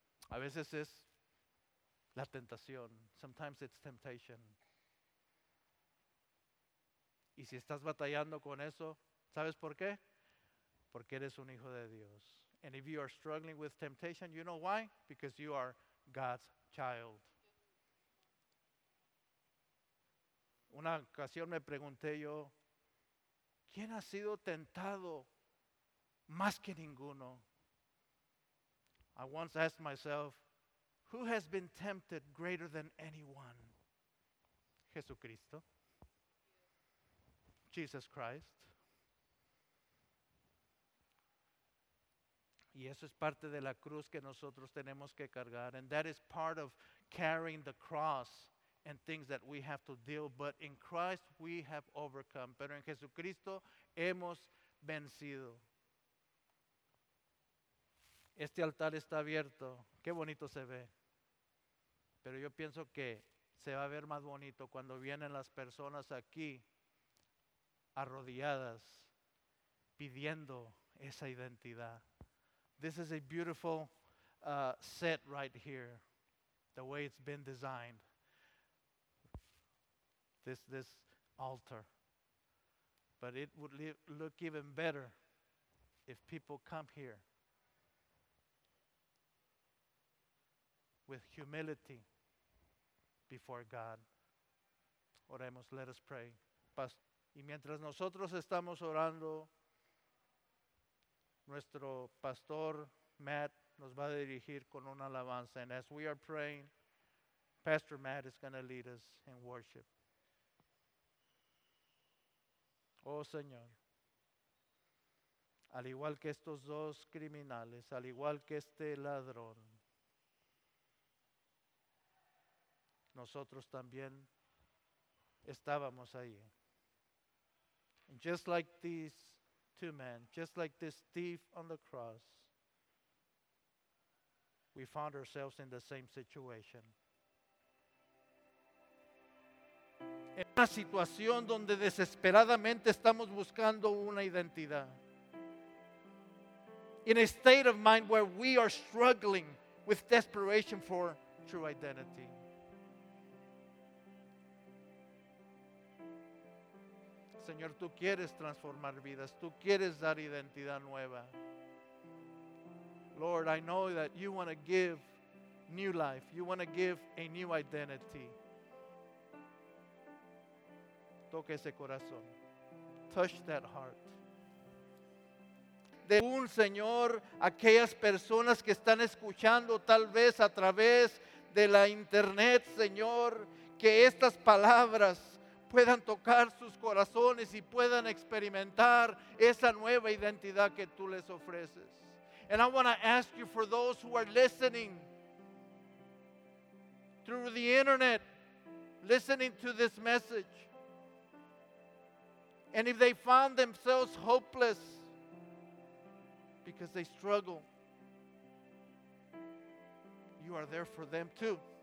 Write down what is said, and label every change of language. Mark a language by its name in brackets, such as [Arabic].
[Spanish] A veces es la tentación. [English] Sometimes it's temptation. [Spanish] Y si estás batallando con eso, ¿sabes por qué? Porque eres un hijo de Dios. [English] And if you are struggling with temptation, you know why? Because you are God's child. [Spanish] Una ocasión me pregunté yo, ¿quién ha sido tentado más que ninguno? [English] I once asked myself, who has been tempted greater than anyone? [Spanish] Jesucristo. [English] Jesus Christ. [Spanish] Y eso es parte de la cruz que nosotros tenemos que cargar. [English] And that is part of carrying the cross and things that we have to deal. But in Christ we have overcome. [Spanish] Pero en Jesucristo hemos vencido. Este altar está abierto. Qué bonito se ve. Pero yo pienso que se va a ver más bonito cuando vienen las personas aquí arrodilladas pidiendo esa identidad. [English] This is a beautiful set right here, the way it's been designed. This altar. But it would look even better if people come here with humility before God. [Spanish] Oremos, [English] let us pray. [Spanish] Y mientras nosotros estamos orando, nuestro pastor Matt nos va a dirigir con una alabanza. [English] And as we are praying, Pastor Matt is going to lead us in worship. [Spanish] Oh Señor, al igual que estos dos criminales, al igual que este ladrón, nosotros también estábamos ahí. [English] And just like these two men, just like this thief on the cross, we found ourselves in the same situation. [Spanish] En una situación donde desesperadamente estamos buscando una identidad. [English] In a state of mind where we are struggling with desperation for true identity. [Spanish] Señor, tú quieres transformar vidas, tú quieres dar identidad nueva. [English] Lord, I know that you want to give new life. You want to give a new identity. [Spanish] Toque ese corazón. [English] Touch that heart. [Spanish] De un Señor, aquellas personas que están escuchando tal vez a través de la internet, Señor, que estas palabras puedan tocar sus corazones y puedan experimentar esa nueva identidad que tú les ofreces. [English] And I want to ask you for those who are listening through the internet, listening to this message. And if they find themselves hopeless because they struggle, you are there for them too.